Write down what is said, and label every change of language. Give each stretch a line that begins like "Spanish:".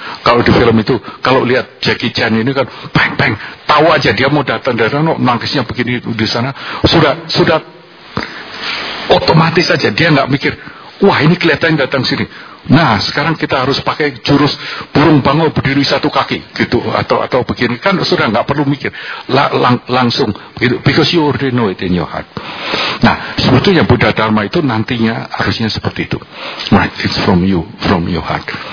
Indonesian: Kalau di film itu, kalau lihat Jackie Chan ini kan bang bang, tahu aja dia mau datang dari sana, nangkisnya begini di sana, sudah otomatis aja dia enggak mikir, wah ini kelihatan datang sini. Nah, sekarang kita harus pakai jurus burung bango berdiri satu kaki gitu atau begini kan sudah enggak perlu mikir. Langsung gitu,
English: because you already know it in your heart.
Indonesian: Nah, sebetulnya Buddha Dharma itu nantinya harusnya seperti itu.
English: Right, it's from your heart.